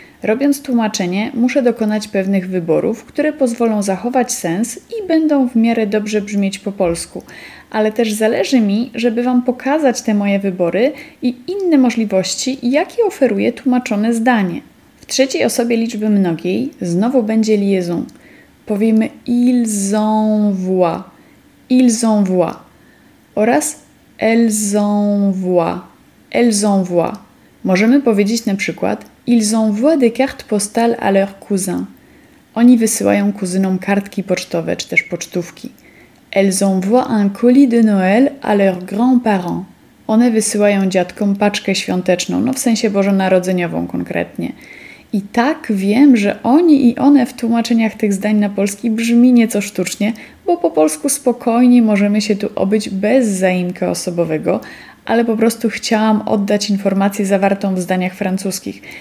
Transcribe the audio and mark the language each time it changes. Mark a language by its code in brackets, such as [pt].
[pl] Robiąc tłumaczenie, muszę dokonać pewnych wyborów, które pozwolą zachować sens i będą w miarę dobrze brzmieć po polsku. Ale też zależy mi, żeby wam pokazać te moje wybory i inne możliwości, jakie oferuje tłumaczone zdanie. W trzeciej osobie liczby mnogiej znowu będzie liaison. Powiemy [fr] ils envoient, ils envoient [pl] oraz [fr] elles envoient, elles envoient. [pl] Możemy powiedzieć na przykład [fr] ils envoient des cartes postales à leurs cousins. [pl] Oni wysyłają kuzynom kartki pocztowe czy też pocztówki. [fr] Elles envoient un colis de Noël à leurs grands-parents. [pl] One wysyłają dziadkom paczkę świąteczną, no w sensie bożonarodzeniową konkretnie. I tak wiem, że oni i one w tłumaczeniach tych zdań na polski brzmi nieco sztucznie, bo po polsku spokojnie możemy się tu obyć bez zaimka osobowego, ale po prostu chciałam oddać informację zawartą w zdaniach francuskich.